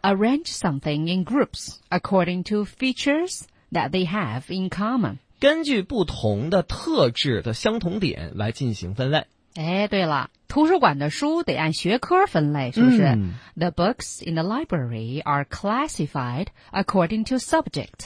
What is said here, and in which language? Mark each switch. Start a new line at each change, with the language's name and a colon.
English: arrange something in groups according to features that they have in common，
Chinese: 根据不同的特质的相同点来进行分类。哎，对了，图书馆的书得按学科分类，是不是？嗯，
English: The books in the library are classified according to subject。